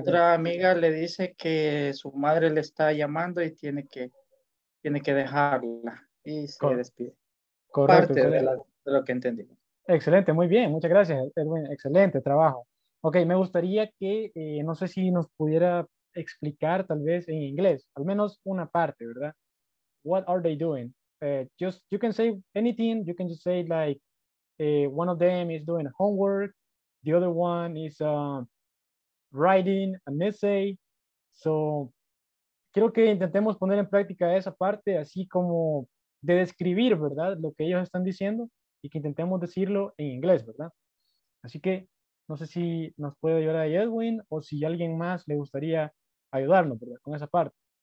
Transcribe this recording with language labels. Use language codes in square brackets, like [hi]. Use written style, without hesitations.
[es] Otra amiga le dice que su madre le está llamando y tiene que dejarla y se correcto. Despide. Correcto. Parte correcto. De lo que entendí. Excelente, muy bien, muchas gracias, Edwin. Excelente trabajo. Ok, me gustaría que, no sé si nos pudiera explicar tal vez en inglés, al menos una parte, ¿verdad? [en] What are they doing? Just, you can say anything, you can just say like, one of them is doing homework, the other one is writing an essay. [es] So, quiero que intentemos poner en práctica esa parte, así como de describir, ¿verdad? Lo que ellos están diciendo. Y que intentemos decirlo en inglés, ¿verdad? Así que, no sé si nos puede ayudar ahí Edwin, o si alguien más le gustaría ayudarnos, ¿verdad? Con esa parte.